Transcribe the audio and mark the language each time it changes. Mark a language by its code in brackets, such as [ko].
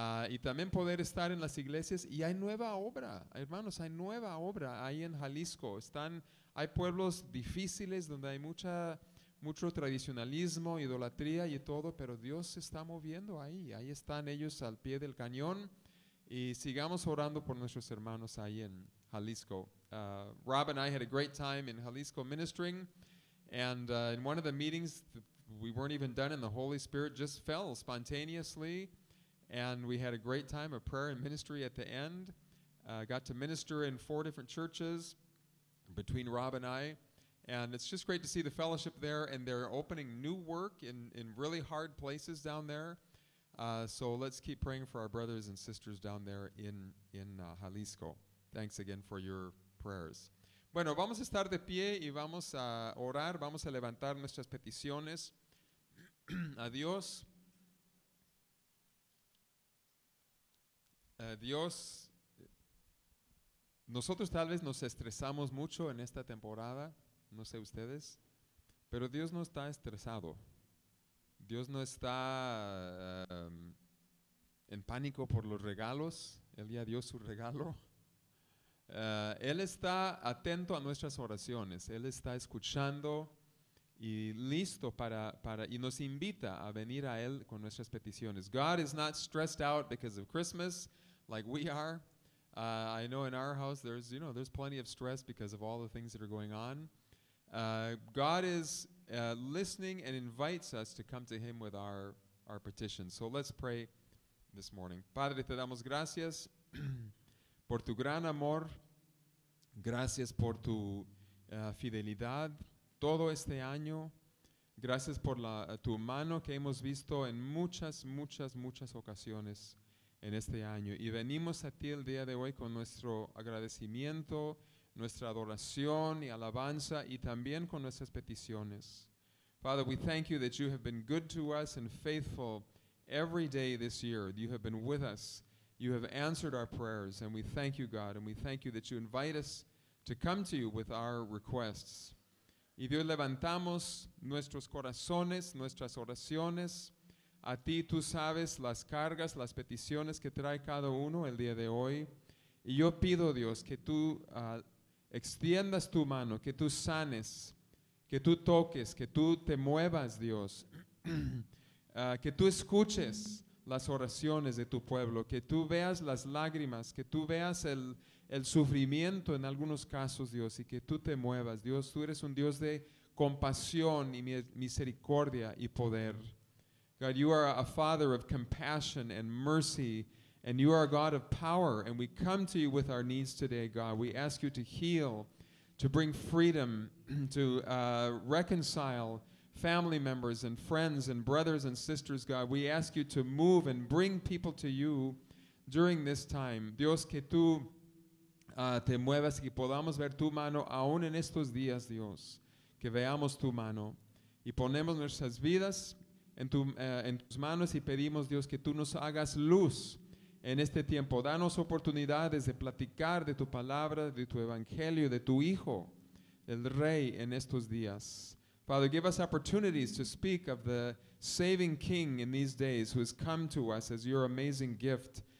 [es] Y también poder estar en las iglesias. Y hay nueva obra, hermanos, hay nueva obra ahí en Jalisco. Hay pueblos difíciles donde hay mucho tradicionalismo, idolatría y todo, pero Dios se está moviendo ahí. Ahí están ellos al pie del cañón. Y sigamos orando por nuestros hermanos ahí en Jalisco. [en] Rob and I had a great time in Jalisco ministering. And in one of the meetings, we weren't even done and the Holy Spirit just fell spontaneously. And we had a great time of prayer and ministry at the end. Got to minister in four different churches between Rob and I. And it's just great to see the fellowship there. And they're opening new work in really hard places down there. So let's keep praying for our brothers and sisters down there in Jalisco. Thanks again for your prayers. [es] Bueno, vamos a estar de pie y vamos a orar. Vamos a levantar nuestras peticiones a Dios. Dios, nosotros tal vez nos estresamos mucho en esta temporada, no sé ustedes, pero Dios no está estresado. Dios no está en pánico por los regalos, Él ya dio su regalo. Él está atento a nuestras oraciones, Él está escuchando y listo para y nos invita a venir a Él con nuestras peticiones. [en] God is not stressed out because of Christmas. Like we are, I know in our house there's plenty of stress because of all the things that are going on. God is listening and invites us to come to Him with our petitions. So let's pray this morning. [es] Padre, te damos gracias por tu gran amor, gracias por tu fidelidad todo este año, gracias por tu mano que hemos visto en muchas ocasiones. En este año. Y venimos a ti el día de hoy con nuestro agradecimiento, nuestra adoración y alabanza y también con nuestras peticiones. [en] Father, we thank you that you have been good to us and faithful every day this year. You have been with us. You have answered our prayers. And we thank you, God. And we thank you that you invite us to come to you with our requests. [es] Y Dios, levantamos nuestros corazones, nuestras oraciones. A ti tú sabes las cargas, las peticiones que trae cada uno el día de hoy. Y yo pido, Dios, que tú extiendas tu mano, que tú sanes, que tú toques, que tú te muevas, Dios. que tú escuches las oraciones de tu pueblo, que tú veas las lágrimas, que tú veas el sufrimiento en algunos casos, Dios, y que tú te muevas. Dios, tú eres un Dios de compasión y misericordia y poder. [en] God, you are a father of compassion and mercy, and you are a God of power, and we come to you with our needs today, God. We ask you to heal, to bring freedom, to reconcile family members and friends and brothers and sisters, God. We ask you to move and bring people to you during this time. [es] Dios, que tú te muevas y podamos ver tu mano aún en estos días, Dios. Que veamos tu mano y ponemos nuestras vidas en tus manos y pedimos, Dios, que tú nos hagas luz en este tiempo. Danos oportunidades de platicar de tu palabra, de tu evangelio, de tu Hijo, el Rey, en estos días. [en] Father, give us opportunities to speak of the saving King in these days who has come to us as your amazing gift.